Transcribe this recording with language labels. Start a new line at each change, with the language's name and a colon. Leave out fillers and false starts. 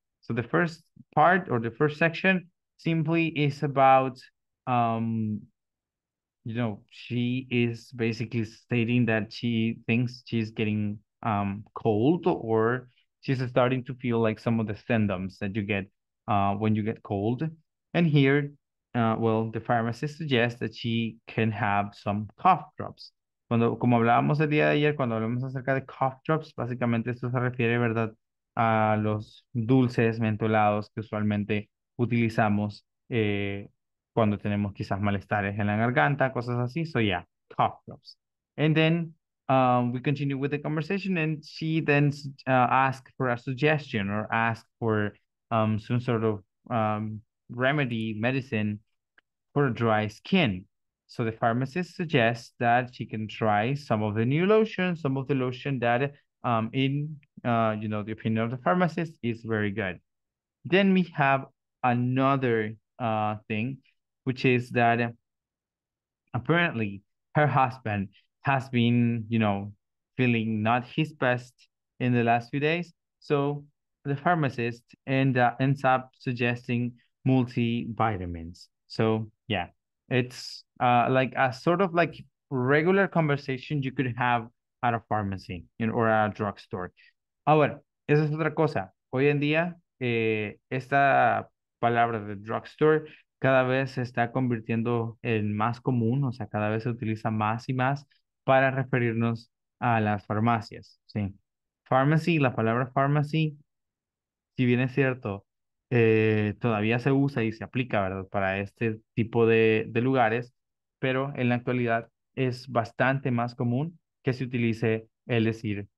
English: So the first part or the first section simply is about, you know, she is basically stating that she thinks she's getting cold, or she's starting to feel like some of the symptoms that you get when you get cold. And here, well, the pharmacist suggests that she can have some cough drops.
Spanish: Cuando, como hablábamos el día de ayer, cuando hablamos acerca de cough drops, básicamente esto se refiere, ¿verdad?, a los dulces mentolados que usualmente utilizamos cuando tenemos quizás malestares en la garganta, cosas así.
English: So yeah, cough drops. And then we continue with the conversation and she then asks for a suggestion or asks for some sort of remedy, medicine for dry skin. So the pharmacist suggests that she can try some of the new lotion, some of the lotion that you know, the opinion of the pharmacist is very good. Then we have another thing, which is that apparently her husband has been, you know, feeling not his best in the last few days. So the pharmacist ends up suggesting multivitamins. So yeah, it's like a sort of like regular conversation you could have at a pharmacy, you know, or a drugstore.
Spanish: Ah, bueno, esa es otra cosa. Hoy en día, esta palabra de drugstore cada vez se está convirtiendo en más común, o sea, cada vez se utiliza más y más para referirnos a las farmacias, ¿sí? Pharmacy, la palabra pharmacy, si bien es cierto, todavía se usa y se aplica, ¿verdad?, para este tipo de lugares, pero en la actualidad es bastante más común que se utilice el decir